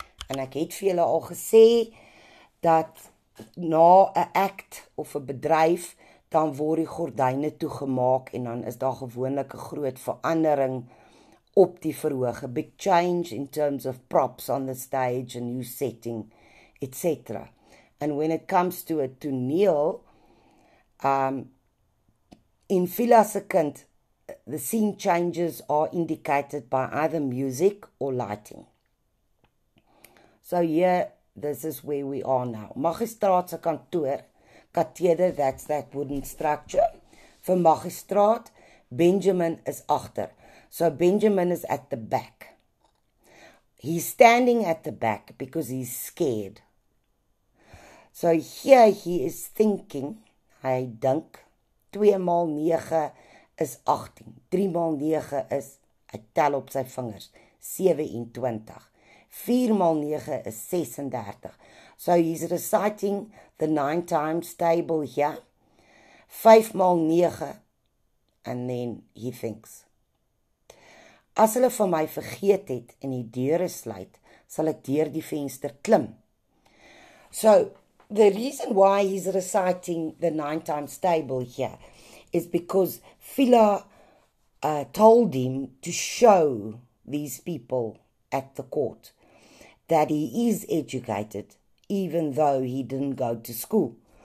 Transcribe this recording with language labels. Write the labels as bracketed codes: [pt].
[af] En ek het vir julle al gesê dat na 'n act of 'n bedryf dan word die gordyne toegemaak en dan is daar gewoonlik 'n groot verandering op die verhoog, [en] a big change in terms of props on the stage, a new setting, etc. And when it comes to a toneel, in Fiela se kind, the scene changes are indicated by either music or lighting. So here, this is where we are now. [af] Magistraat se kantoor, katheder, [en] that's that wooden structure. [af] Vir magistraat, Benjamin is agter. [en] So Benjamin is at the back. He's standing at the back because he's scared. So here he is thinking, [af] hy dink, 2 maal 9 is 18. 3 maal 9 is, hy tel op sy vingers, 27. 4 maal 9 is 36. [en] So he's reciting the 9 times table here. [af] 5 maal 9, [en] and then he thinks, [af] as hulle van my vergeet het en die deure sluit, sal ek deur die venster klim. [en] So, the reason why he's reciting the 9 times table here is because Fiela told him to show these people at the court that he is educated, even though he didn't go to school.